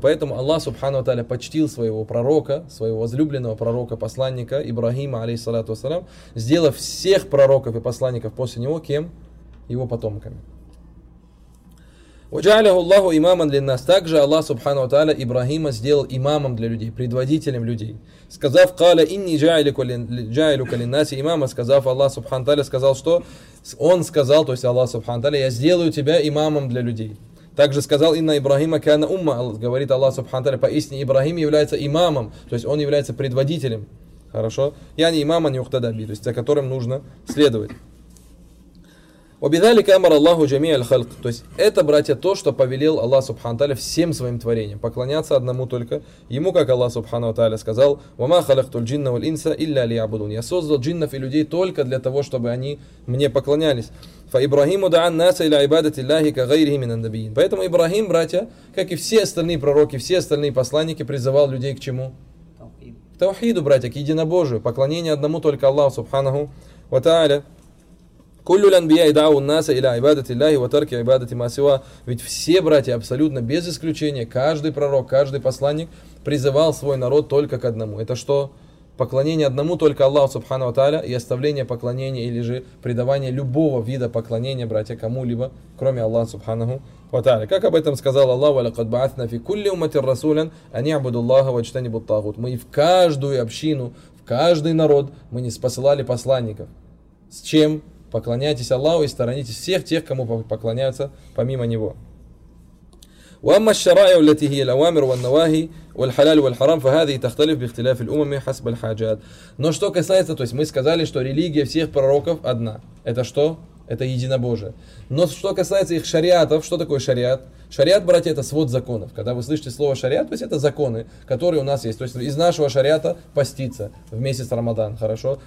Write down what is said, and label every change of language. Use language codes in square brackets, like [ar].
[ru] Поэтому Аллах Субхану ва Тааля почтил своего пророка, своего возлюбленного пророка, посланника Ибрахима, алейхиссалату вассалям, сделав всех пророков и посланников после него кем? Его потомками. [ar] وَجَعَلَهُ اللَّهُ إِمَامًا لِلنَّاسِ. [ru] Также Аллах Субхану ва Тааля Ибрахима сделал имамом для людей, предводителем людей. Сказав: [ar] قَالَ إِنِّي جَاعِلُكَ لِلنَّاسِ إِمَامًا. [ru] Сказав, Аллах Субхану ва Тааля сказал что? Он сказал, то есть Аллах Субхану Тааля: я сделаю тебя имамом для людей. Также сказал: инна Ибрахима кана умма, говорит Аллах Субхану Тааля, поистине Ибрахим является имамом, то есть он является предводителем. Хорошо? Я не имама не ухтадаби, то есть за которым нужно следовать. [ar] وبذلك امر الله جميع الخلق. [ru] То есть это, братья, то, что повелел Аллах Субхану Тааля всем своим творениям, поклоняться одному только ему, как Аллах Субхану Тааля сказал: вама халактул джинна валь инса илля лиябудун. Я создал джиннов и людей только для того, чтобы они мне поклонялись. [ar] فإبراهيم دعا الناس إلى عبادة الله كغيره من النبيين. [ru] Поэтому Ибрахим, братья, как и все остальные пророки, все остальные посланники, призывал людей к чему? К таухиду, братья, к единобожию, поклонение одному только Аллаху Субханаху ва Тааля. [ar] كل الأنبياء دعوا الناس إلى عبادة الله وترك عبادة ما سواه. [ru] Ведь все, братья, абсолютно без исключения, каждый пророк, каждый посланник призывал свой народ только к одному. Это что? Поклонение одному только Аллаху Субхану ва Тааля и оставление поклонения или же предавание любого вида поклонения, братья, кому-либо, кроме Аллаха Субхану ва Тааля. Как об этом сказал Аллах: [ar] وَلَقَدْ بَعَثْنَا فِي كُلِّ أُمَّةٍ رَسُولًا أَنْ يَعْبُدُوا اللَّهَ وَاجْتَنِبُوا الطَّاغُوتَ. [ru] Мы в каждую общину, в каждый народ мы не спосылали посланников. С чем? Поклоняйтесь Аллаху и сторонитесь всех тех, кому поклоняются помимо Него. [ar] وأما الشرائع التي هي الأوامر والنواهي والحلال والحرام فهذه تختلف باختلاف الأمم حسب الحاجات. [ru] Но что касается, то есть мы сказали, что религия всех пророков одна. Это что? Это единобожие. Но что касается их шариатов, что такое шариат? Шариат, братья, это свод законов. Когда вы слышите слово шариат, то есть это законы, которые у нас есть. То есть из нашего шариата поститься в месяц Рамадан, хорошо?